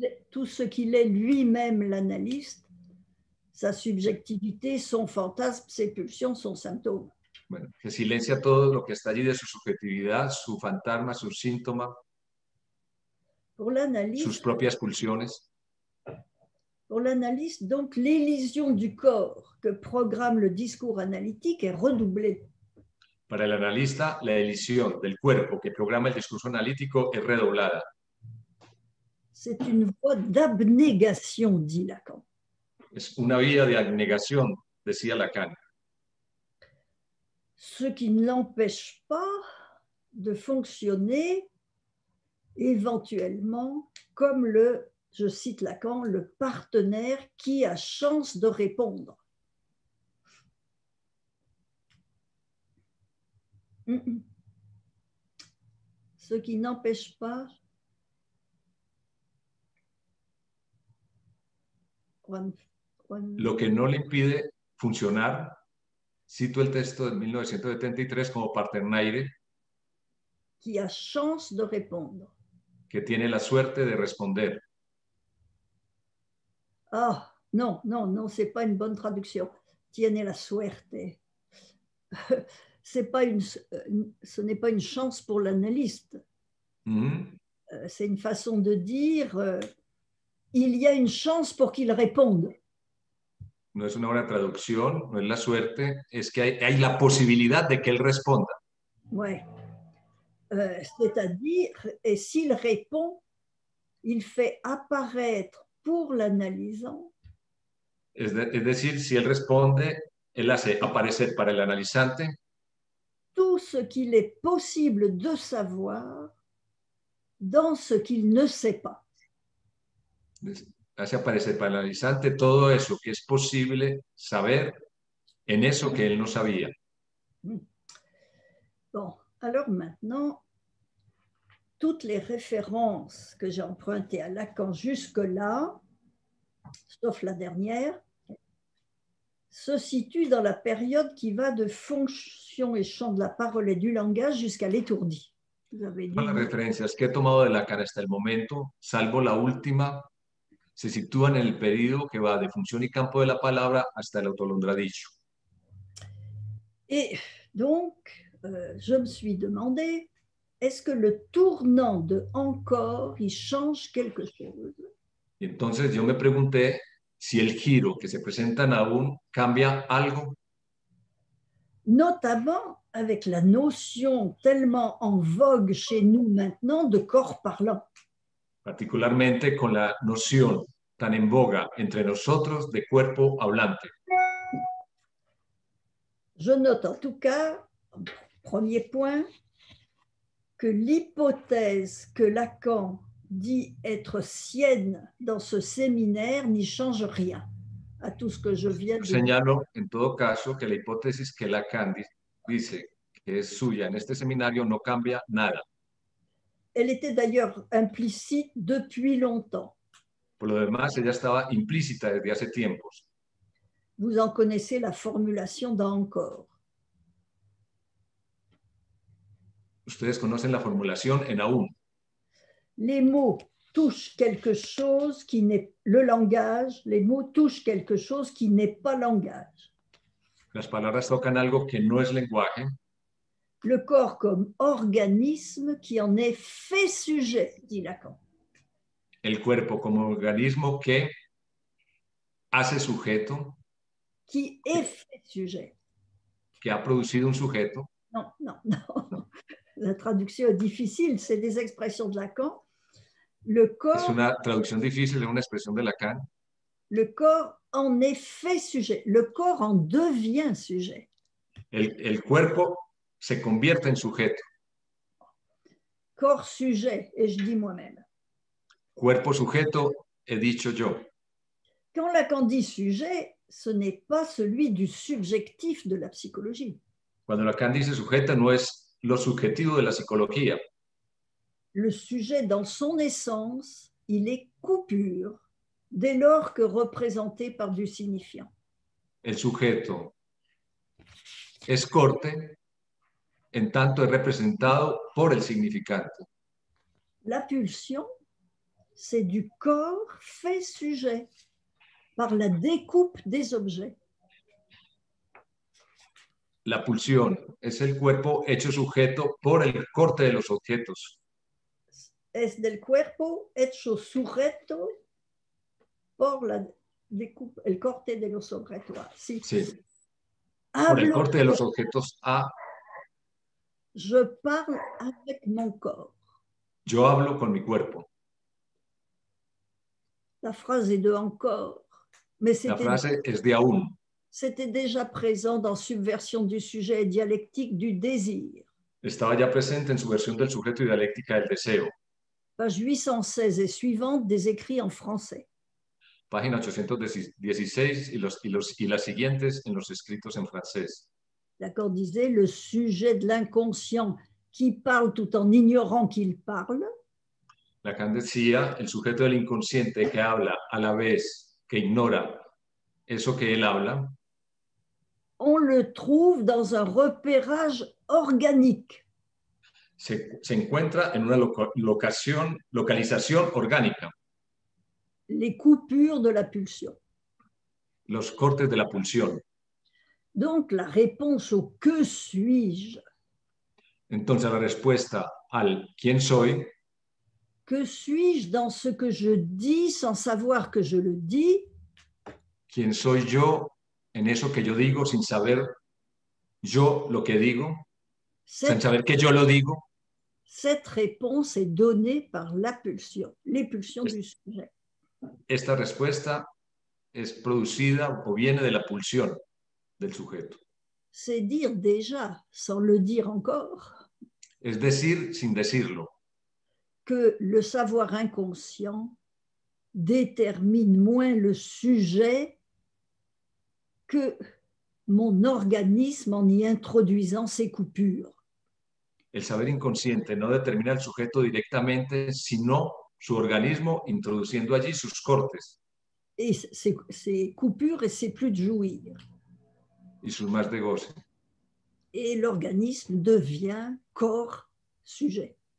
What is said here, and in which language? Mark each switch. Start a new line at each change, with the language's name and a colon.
French: Tout ce qu'il est lui-même, l'analyste, sa subjectivité, son fantasme, ses pulsions, son symptôme.
Spanish: Bueno, que silencia todo lo que está allí de su subjetividad, su fantasma, su síntoma,
French: pour l'analyste,
Spanish: sus propias pulsiones.
French: Pour l'analyste, donc, l'élision du corps que programme le discours analytique est redoublée.
Spanish: Para el analista, la elisión del cuerpo que programa el discurso analítico es redoblada.
French: C'est une voie d'abnégation, dit Lacan.
Spanish: Es una vía de abnegación, decía Lacan.
French: Ce qui ne l'empêche pas de fonctionner éventuellement comme le, je cite Lacan, le partenaire qui a chance de répondre. Ce qui n'empêche pas.
Spanish: Lo que no le impide funcionar, cito el texto de 1973 como partenaire.
French: Qui a chance de répondre.
Spanish: Que tiene la suerte de responder.
French: Ah, non, non, non, c'est pas une bonne traduction.
Spanish: Tiene la suerte.
French: Ce n'est pas une chance pour l'analyste. Mm-hmm. C'est une façon de dire il y a une chance pour qu'il réponde.
Spanish: No es una buena traducción, no es la suerte, es que hay la posibilidad de que él responda. Ouais.
French: C'est-à-dire, et s'il répond, il fait apparaître pour l'analysant.
Spanish: Es decir, si él responde, él hace aparecer para el analizante.
French: Tout ce qu'il est possible de savoir dans ce qu'il ne sait pas.
Spanish: Hace aparecer para el analizante todo eso que es posible saber en eso que él no sabía.
French: Bon, alors maintenant. Toutes les références que j'ai empruntées à Lacan jusque-là, sauf la dernière, se situent dans la période qui va de fonction et champ de la parole et du langage jusqu'à l'étourdi. Vous avez dit. Les références que j'ai
Spanish: tomado de Lacan hasta el momento, salvo la última, se sitúan en el periodo que va de función y campo de la palabra hasta el autolondradicho.
French: Et donc, je me suis demandé. Est-ce que le tournant de encore y change quelque chose?
Spanish: Entonces yo me pregunté si el giro que se presenta en aún cambia algo.
French: Notamment avec la notion tellement en vogue chez nous maintenant de corps parlant.
Spanish: Particularmente con la noción tan en boga entre nosotros de cuerpo hablante.
French: Je note en tout cas, premier point, que l'hypothèse que Lacan dit être sienne dans ce séminaire n'y change rien à tout ce que je viens de dire.
Spanish: Señalo en todo caso que la hipótesis que Lacan dice que es suya en este seminario no cambia nada.
French: Elle était d'ailleurs implicite depuis longtemps.
Spanish: Por lo demás, ella estaba implícita desde hace tiempos.
French: Vous en connaissez la formulation dans encore.
Spanish: Ustedes conocen la formulación en aún.
French: Les mots touche quelque chose qui n'est le langage, les mots touchent quelque chose qui n'est pas langage.
Spanish: Las palabras tocan algo que no es lenguaje.
French: Le corps comme organisme qui en est fait sujet, dit Lacan.
Spanish: El cuerpo como organismo que hace sujeto.
French: Qui est fait sujet.
Spanish: Que ha producido un sujeto.
French: Non, non, non. La traduction est difficile, c'est des expressions de Lacan. Le corps.
Spanish: Es una traducción difícil, es una expresión de Lacan.
French: Le corps en est fait sujet. Le corps en devient sujet.
Spanish: El cuerpo se convierte en sujeto.
French: Corps sujet, et je dis moi-même.
Spanish: Cuerpo sujeto, he dicho yo.
French: Quand Lacan dit sujet, ce n'est pas celui du subjectif de la psychologie.
Spanish: Cuando Lacan dice sujeto, no es lo subjetivo de la psicología.
French: Le sujet dans son essence, il est coupure dès lors que représenté par du signifiant.
Spanish: El sujeto es corte en tanto es representado por el significante.
French: La pulsion, c'est du corps fait sujet par la découpe des objets.
Spanish: La pulsión es el cuerpo hecho sujeto por el corte de los objetos. Es del cuerpo hecho sujeto por la découpe, el corte de los objetos. Sí. Sí. Por el corte de los objetos a...
French: Je parle avec mon corps.
Spanish: Yo hablo con mi cuerpo. La frase
French: est de encore. Mais
Spanish: la frase es de aún.
French: C'était déjà présent dans Subversion du sujet et dialectique du désir.
Spanish: Estaba ya presente en Subversión del sujeto y dialéctica del deseo.
French: Page 816 et suivante des écrits en français.
Spanish: Página 816 y las siguientes en los escritos en francés.
French: Lacan disait le sujet de l'inconscient qui parle tout en ignorant qu'il parle.
Spanish: Lacan decía el sujeto del inconsciente que habla a la vez que ignora. Eso que él habla,
French: on le trouve dans un repérage organique.
Spanish: Se encuentra en una localización orgánica.
French: Les coupures de la pulsion.
Spanish: Los cortes de la pulsión.
French: Donc la réponse au que suis-je.
Spanish: Entonces la respuesta al quién soy.
French: Que suis-je dans ce que je dis sans savoir que je le dis.
Spanish: ¿Quién soy yo en eso que yo digo sin saber yo lo que digo? Sin saber que yo lo digo.
French: Cette réponse est donnée par la pulsion, les pulsions du sujet.
Spanish: Esta respuesta es producida o viene de la pulsión del sujeto.
French: C'est dire déjà, sans le dire encore.
Spanish: Es decir, sin decirlo.
French: Que le savoir inconscient détermine moins le sujet que mon organisme en y introduisant ses coupures.
Spanish: El saber inconsciente no determina el sujeto directamente, sino su organismo introduciendo allí sus cortes.
French: Et ses coupures et ses plus de jouir.
Spanish: Y sus más de goce.
French: Et l'organisme devient corps-sujet.